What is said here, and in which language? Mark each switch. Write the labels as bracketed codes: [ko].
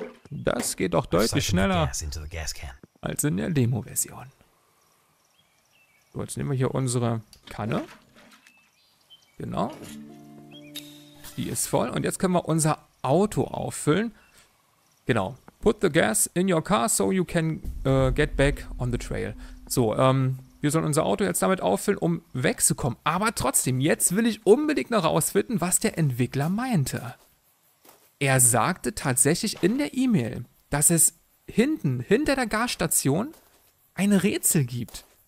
[de] Das geht doch deutlich schneller als in der Demo-Version. So, jetzt nehmen wir hier unsere Kanne. Genau. Die ist voll. Und jetzt können wir unser Auto auffüllen. Genau. [en] Put the gas in your car so you can get back on the trail. [de] So, wir sollen unser Auto jetzt damit auffüllen, um wegzukommen. Aber trotzdem, jetzt will ich unbedingt noch rausfinden, was der Entwickler meinte. Er sagte tatsächlich in der E-Mail, dass es hinten, hinter der Gasstation, ein Rätsel gibt.